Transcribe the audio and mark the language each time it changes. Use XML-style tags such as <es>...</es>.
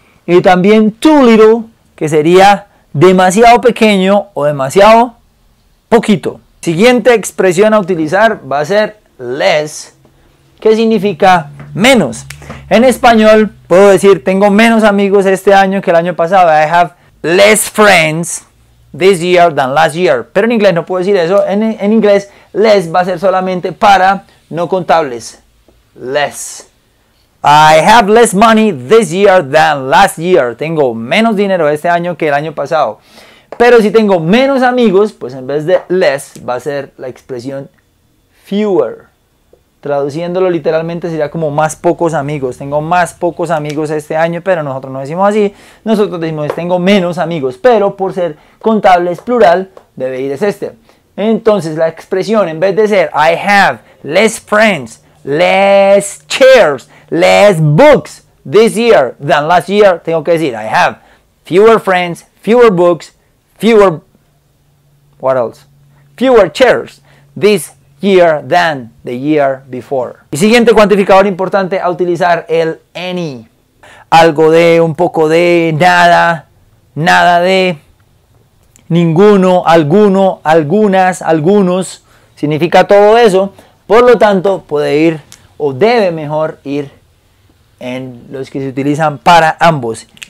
<es>Y también</es> <en>too little,</en> <es>que sería demasiado pequeño o demasiado poquito. Siguiente expresión a utilizar va a ser less, que significa menos. En español puedo decir tengo menos amigos este año que el año pasado.</es> <en>I have less friends this year than last year.</en> <es>Pero en inglés no puedo decir eso. En inglés less va a ser solamente para no contables.</es> <en>Less. I have less money this year than last year.</en> <es>Tengo menos dinero este año que el año pasado. Pero si tengo menos amigos, pues en vez de less va a ser la expresión fewer. Traduciéndolo literalmente sería como más pocos amigos. Tengo más pocos amigos este año, pero nosotros no decimos así. Nosotros decimos tengo menos amigos, pero por ser contables plural debe ir es este. Entonces la expresión en vez de ser</es> <en>I have less friends, less chairs, less books this year than last year,</en> <es>tengo que decir</es> <en>I have fewer friends, fewer books, fewer, what else? Fewer chairs this year than the year before.</en> <es>Y siguiente cuantificador importante a utilizar, el any. Algo de, un poco de, nada, nada de, ninguno, alguno, algunas, algunos, significa todo eso. Por lo tanto, puede ir o debe mejor ir en los que se utilizan para ambos.</es>